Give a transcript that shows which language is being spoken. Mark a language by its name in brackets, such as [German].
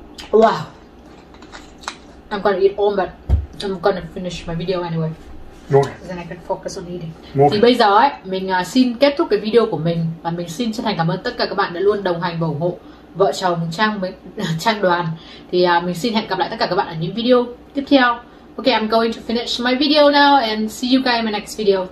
[English] Wow, I'm gonna eat all, but I'm gonna finish my video anyway. Okay. Then I can focus on eating. Okay. [Vietnamese] Thì bây giờ ấy, mình xin kết thúc cái video của mình và mình xin chân thành cảm ơn tất cả các bạn đã luôn đồng hành và ủng hộ vợ chồng Trang với Trang Đoàn. Thì mình xin hẹn gặp lại tất cả các bạn ở những video tiếp theo. [English] Okay, I'm going to finish my video now and see you guys in my next video.